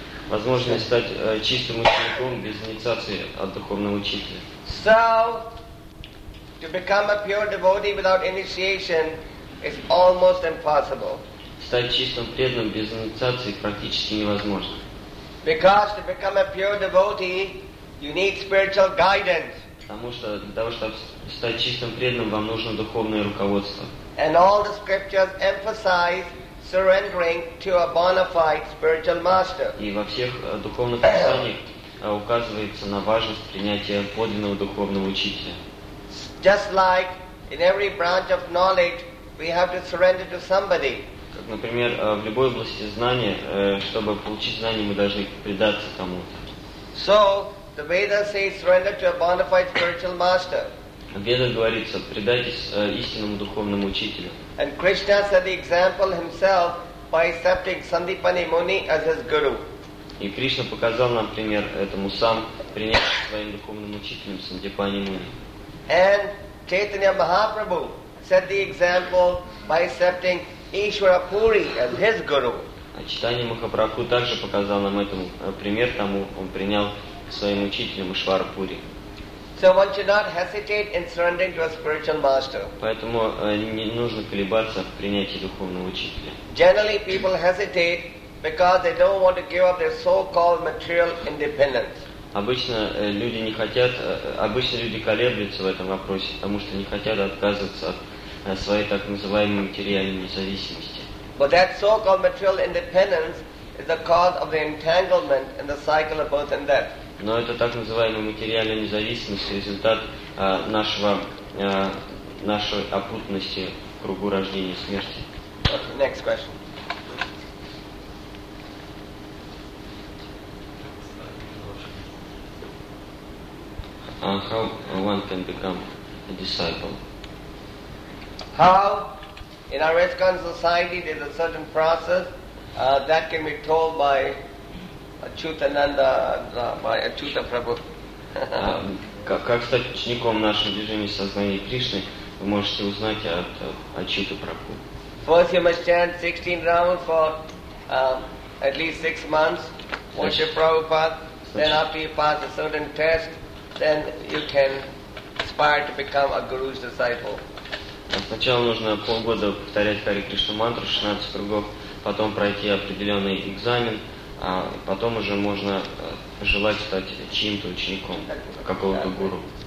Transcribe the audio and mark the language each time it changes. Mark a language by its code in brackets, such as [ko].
[ru] Возможно ли стать чистым учеником без инициации от духовного учителя? [en] So, to become a pure devotee without initiation is almost impossible. [ru] Стать чистым преданным без инициации практически невозможно. [en] Because to become a pure devotee, you need spiritual guidance. [ru] Потому что для того, чтобы стать чистым преданным, вам нужно духовное руководство. [en] And all the scriptures emphasize surrendering to a bona fide spiritual master. [ru] И во всех духовных писаниях указывается на важность принятия подлинного духовного учителя. [en] Just like in every branch of knowledge, we have to surrender to somebody. [ru] Как, например, в любой области знания, чтобы получить знания, мы должны предаться кому-то. [en] So the Veda says, surrender to a bona fide spiritual master. [ru] Веда говорится, предайтесь истинному духовному учителю. [en] And Krishna set the example himself by accepting Sandipani Muni as his guru. [ru] И Кришна показал нам пример этому сам, приняв своим духовным учителем Сандипани Муни. [en] And Chaitanya Mahaprabhu set the example by accepting Ishwara Puri as his guru. [ru] А Чайтанья Махапрабху также показал нам этому пример тому, он принял своим учителем Ишвара Пури. [en] So one should not hesitate in surrendering to a spiritual master. [ru] Поэтому не нужно колебаться в принятии духовного учителя. [en] Generally, people hesitate because they don't want to give up their so-called material independence. [ru] Обычно люди колеблются в этом вопросе, потому что не хотят отказываться от своей так называемой материальной независимости. [en] But that so-called material independence is the cause of the entanglement in the cycle of birth and death. [ru] Но это так называемая материальная независимость, результат нашей опутанности в кругу рождения и смерти. [en] Okay, next question. How one can become a disciple? How? In our ISKCON society, there's a certain process that can be told by Ачютананда, by Ачюта Прабху. [ru] Как стать учеником нашего движения сознания Кришны, вы можете узнать от Ачюта Прабху. [en] First you must chant 16 rounds for at least 6 months, worship Prabhupada. Then after you pass a certain test, then you can aspire to become a guru's disciple. [ru] Сначала нужно полгода повторять Хари Кришна мантру 16 кругов, потом пройти определенный экзамен, а потом уже можно желать стать чьим-то учеником, какого-то гуру.